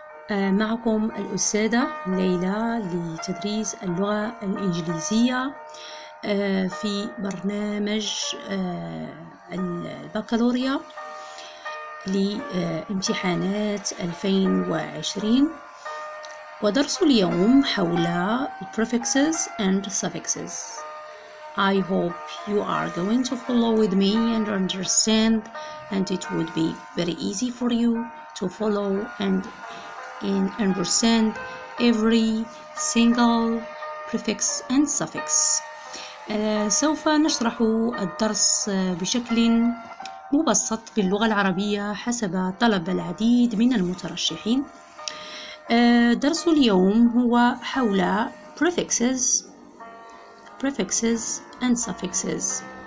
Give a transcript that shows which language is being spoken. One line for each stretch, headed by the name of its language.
Arabic: معكم الأستاذة ليلى لتدريس اللغة الإنجليزية في برنامج البكالوريا لامتحانات 2020، ودرس اليوم حول
English: prefixes and suffixes. I hope you are going to follow with me and understand, and it would be very easy for you to follow and understand every single prefix and suffix.
Arabic: سوف نشرح الدرس بشكل مبسط باللغة العربية حسب طلب العديد من المترشحين. درس اليوم هو حول
English: prefixes and suffixes.